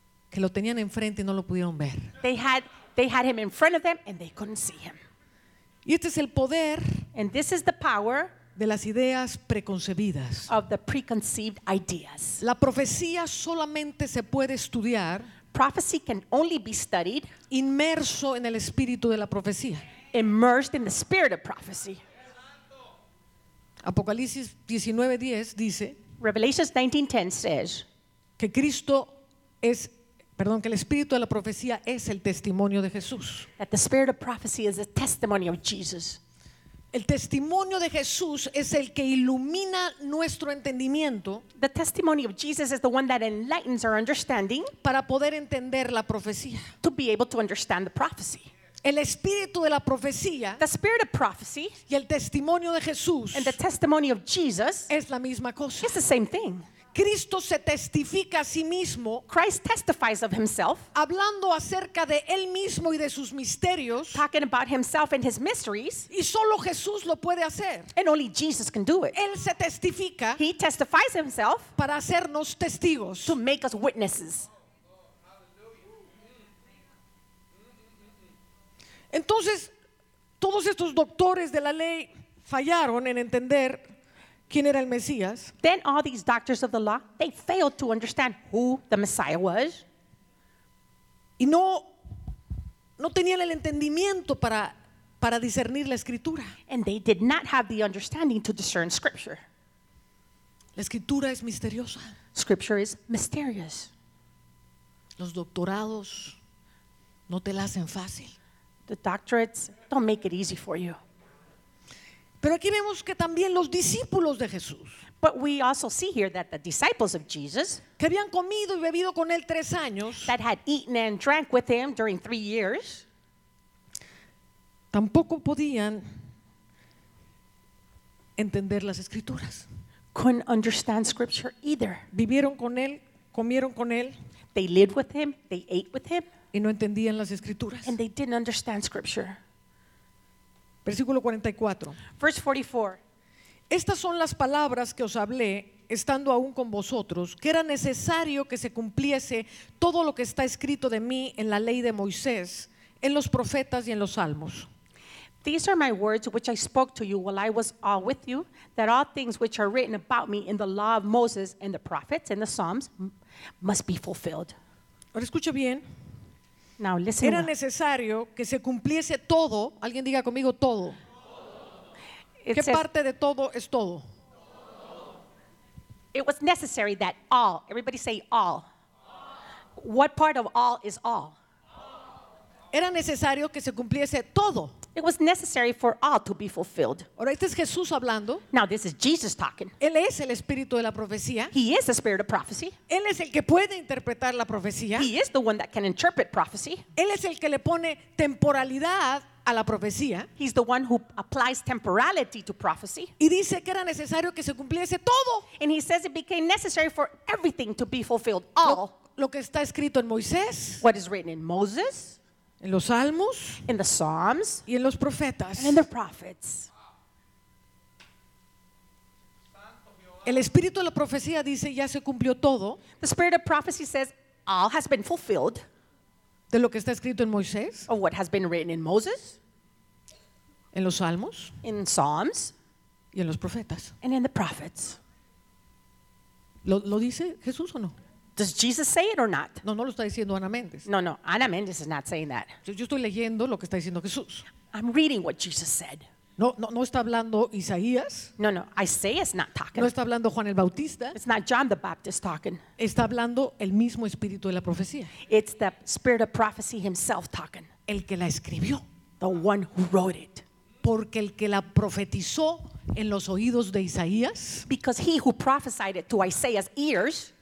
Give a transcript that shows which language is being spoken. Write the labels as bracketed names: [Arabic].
[Spanish] Que lo tenían enfrente y no lo pudieron ver. [English] They had him in front of them and they couldn't see him. [Spanish] Y este es el poder, [English] and this is the power, [Spanish] de las ideas preconcebidas, [English] of the preconceived ideas. [Spanish] La profecía solamente se puede estudiar, [English] prophecy can only be studied, [Spanish] inmerso en el espíritu de la profecía, [English] immersed in the spirit of prophecy. [Spanish] Apocalipsis 19:10 dice, [English] Revelations 19:10 says, [Spanish] que Cristo es, perdón, que el espíritu de la profecía es el testimonio de Jesús. [English] That the spirit of prophecy is the testimony of Jesus. [Spanish] El testimonio de Jesús es el que ilumina nuestro entendimiento. [English] The testimony of Jesus is the one that enlightens our understanding. [Spanish] Para poder entender la profecía. [English] To be able to understand the prophecy. [Spanish] El espíritu de la profecía, [English] the spirit of prophecy, [Spanish] y el testimonio de Jesús, [English] and the testimony of Jesus, [Spanish] es la misma cosa. [English] It's the same thing. [Spanish] Cristo se testifica a sí mismo, [English] Christ testifies of himself, [Spanish] hablando acerca de él mismo y de sus misterios, [English] talking about himself and his mysteries, [Spanish] y solo Jesús lo puede hacer, [English] and only Jesus can do it. [Spanish] Él se testifica, [English] he testifies himself, [Spanish] para hacernos testigos, [English] to make us witnesses. [Spanish] Entonces, todos estos doctores de la ley fallaron en entender quién era el Mesías. [English] Then all these doctors of the law, they failed to understand who the Messiah was. [Spanish] Y no tenían el entendimiento para discernir la Escritura. [English] And they did not have the understanding to discern Scripture. [Spanish] La Escritura es misteriosa. [English] Scripture is mysterious. [Spanish] Los doctorados no te la hacen fácil. [English] The doctorates don't make it easy for you. [Spanish] Pero aquí vemos que también los discípulos de Jesús, [English] but we also see here that the disciples of Jesus, [Spanish] que habían comido y bebido con él 3 años, [English] that had eaten and drank with him during 3 years, [Spanish] Tampoco podían entender las escrituras. [English] Couldn't understand scripture either. [Spanish] Vivieron con él, comieron con él. [English] They lived with him, they ate with him. [Spanish] Y no entendían las escrituras. [English] And they didn't understand scripture. [Spanish] Versículo 44. [English] Verse 44. [Spanish] Estas son las palabras que os hablé estando aún con vosotros, que era necesario que se cumpliese todo lo que está escrito de mí en la ley de Moisés, en los profetas y en los salmos. [English] These are my words which I spoke to you while I was all with you, that all things which are written about me in the law of Moses and the prophets and the psalms must be fulfilled. [Spanish] Ahora escucha bien. [English] Now listen. [Spanish] Era necesario que se cumpliese todo. Alguien diga conmigo todo. ¿Qué parte de todo es todo? [English] It was necessary that all, everybody say all. What part of all is all? [Spanish] Era necesario que se cumpliese todo. [English] It was necessary for all to be fulfilled. [Spanish] Ahora, este es Jesús hablando. [English] Now this is Jesus talking. [Spanish] Él es el espíritu de la profecía. [English] He is the spirit of prophecy. [Spanish] Él es el que puede interpretar la profecía. [English] He is the one that can interpret prophecy. [Spanish] Él es el que le pone temporalidad a la profecía. [English] He's the one who applies temporality to prophecy. [Spanish] Y dice que era necesario que se cumpliese todo. [English] And he says it became necessary for everything to be fulfilled. All. [Spanish] Lo que está escrito en Moisés. [English] What is written in Moses. [Spanish] En los salmos, [English] in the psalms, [Spanish] y en los profetas, [English] and in the prophets. [Spanish] El espíritu de la profecía dice ya se cumplió todo. [English] The spirit of prophecy says all has been fulfilled. [Spanish] De lo que está escrito en Moisés, [English] of what has been written in Moses, [Spanish] en los salmos, [English] in psalms, [Spanish] y en los profetas, [English] and in the prophets. [Spanish] ¿Lo dice Jesús o no? [English] Does Jesus say it or not? [Spanish] No, no lo está diciendo Ana Méndez. [English] No, Ana Méndez is not saying that. [Spanish] Yo estoy leyendo lo que está diciendo Jesús. [English] I'm reading what Jesus said. [Spanish] No está hablando Isaías. [English] No, Isaiah's not talking. [Spanish] No está hablando Juan el Bautista. [English] It's not John the Baptist talking. [Spanish] Está hablando el mismo espíritu de la profecía. [English] It's the spirit of prophecy himself talking. [Spanish] El que la escribió. [English] The one who wrote it. [Spanish] Porque el que la profetizó en los oídos de Isaías. [English] Because he who prophesied it to Isaiah's ears.